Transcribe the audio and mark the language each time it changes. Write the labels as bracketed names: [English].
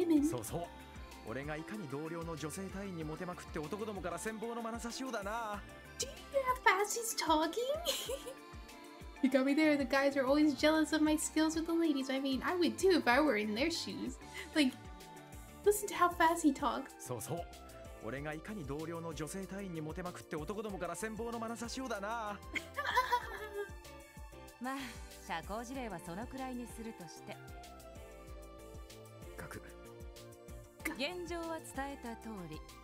[Japanese] そうそう、俺がいかに同僚の女性隊員にモテまくって男どもから羨望の眼差しをだな。 [English] She's talking. You got me there. The guys are always jealous of my skills with the ladies. I mean, I would too if I were in their shoes. Like, listen to how fast he talks. [Japanese] そうそう。俺がいかに同僚の女性隊員にモテまくって男どもから羨望の眼差しをだな。まあ、社交辞令はそのくらいにするとして。各。現状は伝えた通り。